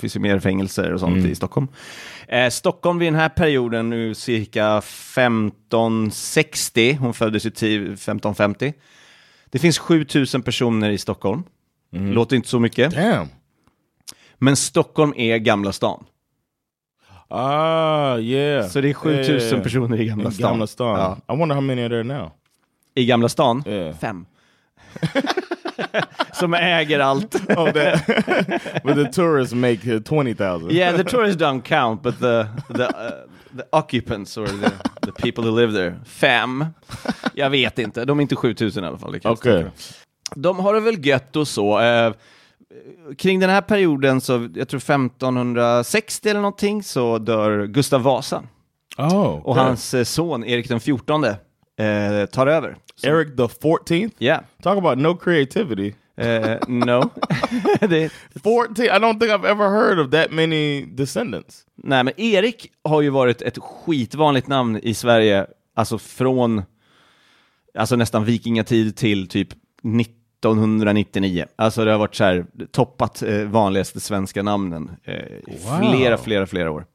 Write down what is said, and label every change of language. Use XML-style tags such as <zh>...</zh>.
<sv>Det finns ju mer fängelser och sånt i Stockholm. Stockholm vid den här perioden nu cirka 1560, hon föddes ju 1550. Det finns 7000 personer i Stockholm. Mm. Låter inte så mycket.</sv> <en>Damn.</en> <sv>Men Stockholm är Gamla stan.</sv> <en>Ah, yeah.</en> <sv>Så det är 7000 personer i Gamla stan. Gamla stan.</sv> <en>Ja. I wonder how many are there now.</en> <sv>I Gamla stan?</sv> <en>Yeah. 5.</en> <sv>Som äger allt.</sv> <en>Oh, that. But the tourists make 20,000. Yeah, the tourists don't count, but the occupants or the people who live there.</en> <sv>5. Jag vet inte. De är inte 7000 i alla fall. Okej.</sv> <en>Okay.</en> <sv>De har det väl gött och så. Kring den här perioden, så jag tror 1560 eller någonting, så dör Gustav Vasa.</sv> <en>Oh, okay.</en> <sv>Och hans son Erik den 14:e tar över.</sv> <en>Så. Erik the 14th? Yeah. Talk about no creativity. No. 14, I don't think I've ever heard of that many descendants.</en> <sv>Nej, men Erik har ju varit ett skitvanligt namn i Sverige, alltså från nästan vikingatid till typ 1999. Alltså det har varit så här toppat vanligaste svenska namnen flera år.</sv>